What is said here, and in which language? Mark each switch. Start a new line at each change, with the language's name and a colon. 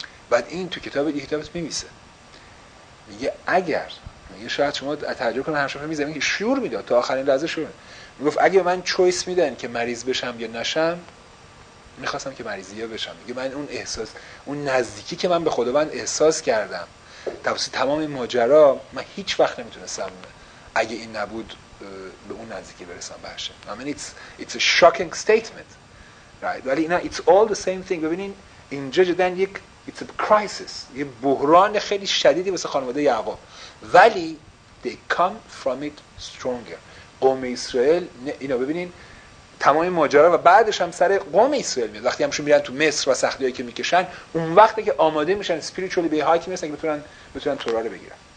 Persian: بعد این تو کتاب یه کتابت میمیسه، میگه اگر، میگه شاید شما تحجیب کنن هم شفه میزه، میگه شعور میداد تا آخرین لحظه شعور، میگفت اگه من چویس میدن که مریض بشم یا نشم، میخواستم که مریضی ها بشم. میگه من اون احساس، اون نزدیکی که من به خداوند احساس کردم توسط تمام این ماجرا، من هیچ وقت نمیتونستم اگه این نبود به اون نزدیکی برسم بهش.
English: I mean it's a shocking statement, right?
Persian: ولی نه،
English: it's all the same thing.
Persian: ببینین اینجا جدن یک
English: it's a crisis،
Persian: یه بحران خیلی شدیدی واسه خانواده یعقوب، ولی
English: they come from it stronger.
Persian: قوم اسرائیل اینا ببینین تا تمام ماجرا و بعدش هم سر قوم اسرائیل میاد. وقتی همشون میرن تو مصر و سختیایی که میکشن، اون وقته که آماده میشن اسپریچولی به هایی که میرسن که بتونن تورا رو بگیرن.